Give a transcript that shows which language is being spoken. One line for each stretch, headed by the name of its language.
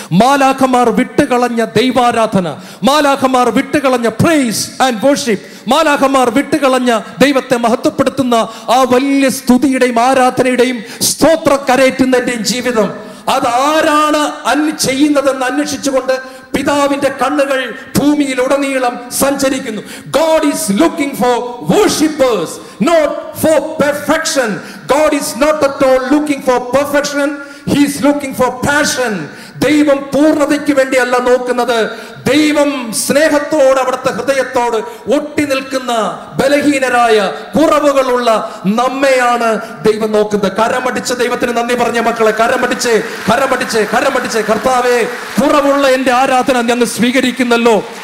Malayalam: മാലാഖമാർ വിട്ടുകളഞ്ഞ ദൈവാരാധന, മാലാഖമാർ വിട്ടുകളഞ്ഞ പ്രേയ്സ് and worship, മാലാഖമാർ വിട്ടുകളഞ്ഞ ദൈവത്തെ മഹത്വപ്പെടുത്തുന്ന ആ വലിയ സ്തുതിയുടെയും ആരാധനയുടെയും സ്തോത്ര കരയറ്റുന്നതിന്റെയും ജീവിതം, അതാരാണ് ചെയ്യുന്നതെന്ന് അന്വേഷിച്ചുകൊണ്ട് പിതാവിന്റെ കണ്ണുകൾ ഭൂമിയിൽ ഉടനീളം സഞ്ചരിക്കുന്നു.
English: God is looking for worshippers, not for perfection. God is not at all looking for perfection. He is looking for passion.
Malayalam: ദൈവം പൂർണ്ണതയ്ക്ക് വേണ്ടിയല്ല നോക്കുന്നത്, ദൈവം സ്നേഹത്തോട് അവിടുത്തെ ഹൃദയത്തോട് ഒട്ടി നിൽക്കുന്ന ബലഹീനരായ കുറവുകളുള്ള നമ്മയാണ് ദൈവം നോക്കുന്നത്. കരമടിച്ച് ദൈവത്തിന് നന്ദി പറഞ്ഞ മക്കളെ, കരമടിച്ച് കരമടിച്ച് കരമടിച്ച് കർത്താവേ, കുറവുള്ള എന്റെ ആരാധന ഞങ്ങൾ സ്വീകരിക്കുന്നല്ലോ.